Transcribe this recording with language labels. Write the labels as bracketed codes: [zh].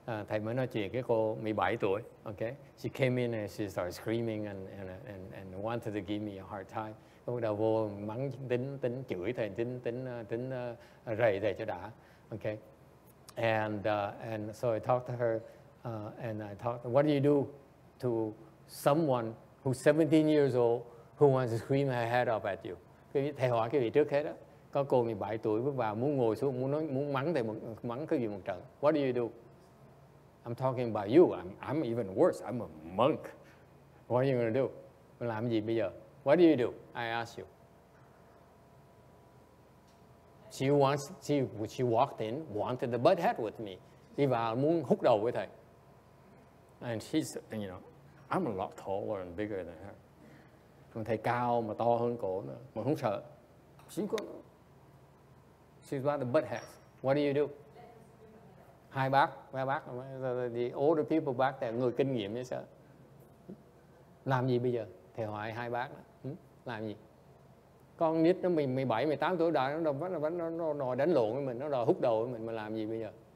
[vi] Thầy mới nói chuyện cái cô 17 tuổi. [en] Okay, she came in and she started screaming and wanted to give me a hard time. [vi] Cô đầu vô mắng tính chửi thầy tính rầy thầy cho đã. [en] Okay, and so I talked to her and I talked. What do you do to someone who's 17 years old who wants to scream her head off at you? [vi] Thầy hỏi cái vị trước hết đó. Có cô 17 tuổi bước vào muốn ngồi xuống muốn nói muốn mắng thầy mắng cái gì một trận. [en] What do you do? I'm talking about you. I'm even worse. I'm a monk. What are you gonna do? [vi] Mình làm gì bây giờ? [en] What do you do? I ask you. She walked in, wanted to butt head with me. [vi] Đi vào muốn húc đầu với thầy. [en] And she's, you know, I'm a lot taller and bigger than her. [vi] Còn thầy cao mà to hơn cổ nữa. Mà không sợ. [en] She's one of the butt heads. What do you do? [vi] Hai bác, ba bác, [en] the older people back there, [vi] người kinh nghiệm vậy sao? Làm gì bây giờ? Thầy hỏi hai bác đó. Làm gì? Con nít nó 17, 18 tuổi đại, nó đòi đánh lộn với mình, nó đòi hút đầu với mình, mà làm gì bây giờ?